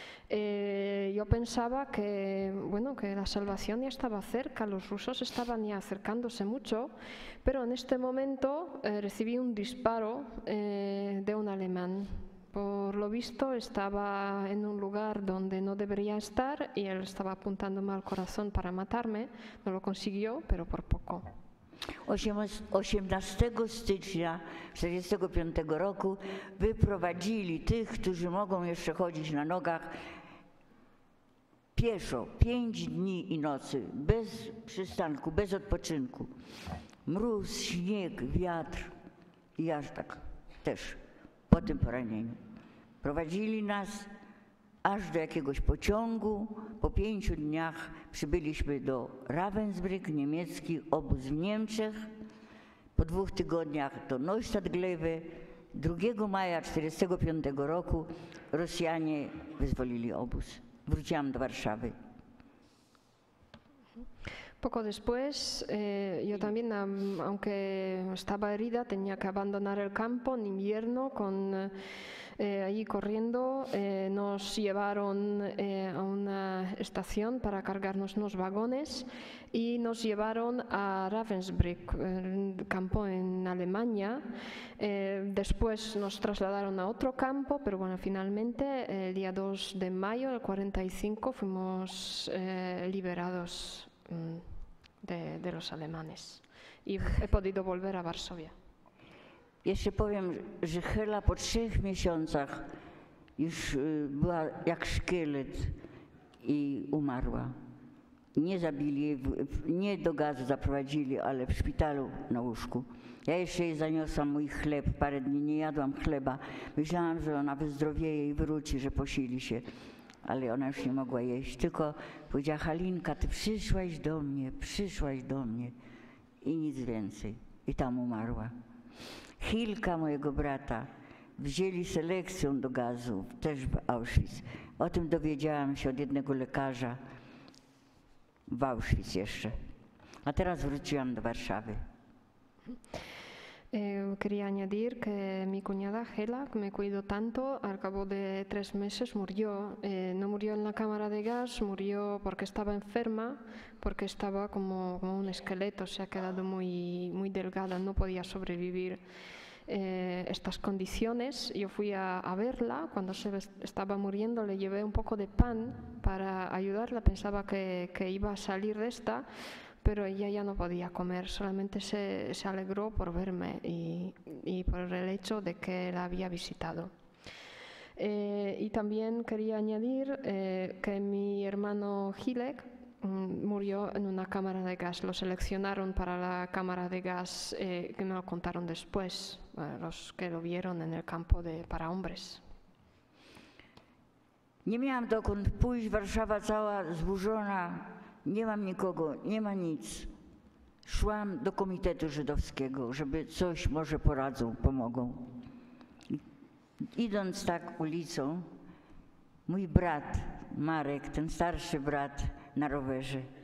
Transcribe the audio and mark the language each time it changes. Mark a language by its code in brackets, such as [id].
[es] yo pensaba que, bueno, que la salvación ya estaba cerca, los rusos estaban ya acercándose mucho, pero en este momento recibí un disparo de un alemán. Por lo visto estaba en un lugar donde no debería estar y él estaba apuntándome al corazón para matarme. No lo consiguió, pero por poco. [pl] 18 stycznia 1945 roku wyprowadzili tych, którzy mogą jeszcze chodzić na nogach, pieszo, 5 dni i nocy, bez przystanku, bez odpoczynku. Mróz, śnieg, wiatr i aż tak też po tym poranieniu. Prowadzili nas aż do jakiegoś pociągu. Po 5 dniach przybyliśmy do Ravensbrück, niemiecki obóz w Niemczech. Po 2 tygodniach do Neustadt Glewe. 2 maja 1945 roku Rosjanie wyzwolili obóz. Wróciłam do Warszawy. [es] Poco después, yo también, aunque estaba herida, tenía que abandonar el campo en invierno, con ahí corriendo. Nos llevaron a una estación para cargarnos unos vagones y nos llevaron a Ravensbrück, el campo en Alemania. Después nos trasladaron a otro campo, pero bueno, finalmente, el día 2 de mayo del 45, fuimos liberados. De los alemanes i he podido volver a Varsovia. [pl] Jeszcze powiem, że Hela po 3 miesiącach już była jak szkielet i umarła. Nie zabili, nie do gazu zaprowadzili, ale w szpitalu na łóżku. Ja jeszcze jej zaniosłam mój chleb, parę dni nie jadłam chleba. Myślałam, że ona wyzdrowieje i wróci, że posili się. Ale ona już nie mogła jeść, tylko powiedziała: Halinka, ty przyszłaś do mnie, przyszłaś do mnie. I nic więcej. I tam umarła. Hilka, mojego brata, wzięli selekcją do gazu, też w Auschwitz. O tym dowiedziałam się od jednego lekarza w Auschwitz jeszcze. A teraz wróciłam do Warszawy. [es] Quería añadir que mi cuñada Hela, que me cuidó tanto, al cabo de 3 meses murió. No murió en la cámara de gas, murió porque estaba enferma, porque estaba como un esqueleto, se ha quedado muy, muy delgada, no podía sobrevivir estas condiciones. Yo fui a verla cuando se estaba muriendo, le llevé un poco de pan para ayudarla, pensaba que iba a salir de esta. Pero ella ya no podía comer, solamente se alegró por verme y por el hecho de que la había visitado. Y también quería añadir que mi hermano Hilek murió en una cámara de gas. Lo seleccionaron para la cámara de gas, que me lo contaron después, los que lo vieron en el campo para hombres. [pl] Nie miałam dokąd pójść, Warszawa cała zburzona. Nie mam nikogo, nie ma nic. Szłam do Komitetu Żydowskiego, żeby coś może poradzą, pomogą. Idąc tak ulicą, mój brat Marek, ten starszy brat na rowerze.